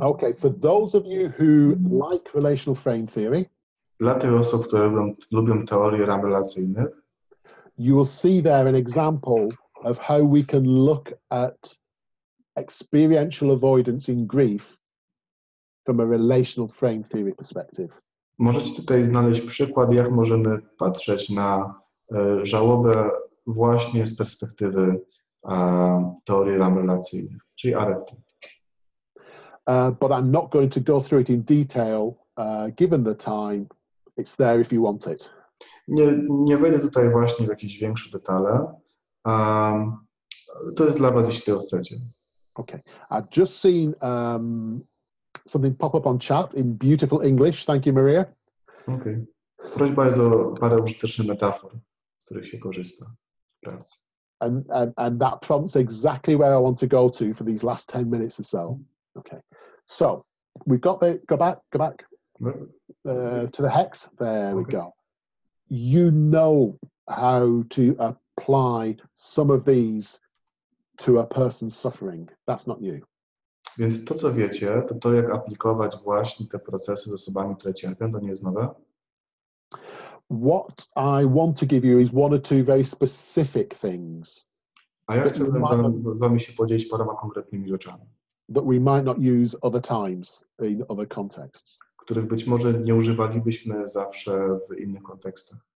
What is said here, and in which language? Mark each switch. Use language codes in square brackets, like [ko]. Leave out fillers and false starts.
[en] Okay, for those of you who like relational frame theory, [pl] dla tych osób, które lubią teorie ram relacyjnych, [en] you will see there an example of how we can look at experiential avoidance in grief from a relational frame theory perspective. [pl] Możecie tutaj znaleźć przykład, jak możemy patrzeć na żałobę właśnie z perspektywy teorii ram relacyjnych, czyli ACT. [en] But I'm not going to go through it in detail, given the time. It's there if you want it. [pl] Nie wejdę tutaj właśnie w jakieś większe detale. To jest dla was, jeśli to chcecie. [en] Okay. I've just seen something pop up on chat in beautiful English. Thank you, Maria. Okay. [pl] Prośba jest o parę użytecznych metafor, z których się korzysta w pracy. [en] And that prompts exactly where I want to go to for these last 10 minutes or so. Okay, so we've got the go back to the hex. There we go. You know how to apply some of these to a person's suffering. That's not new. [pl] Więc to, co wiecie, to jak aplikować właśnie te procesy z osobami, które cierpią, to nie jest nowe. [en] What I want to give you is one or two very specific things. [pl] A ja chciałbym z wami się podzielić paroma konkretnymi rzeczami. [en] That we might not use other times in other contexts. [pl] Których być może nie używalibyśmy zawsze w innych kontekstach.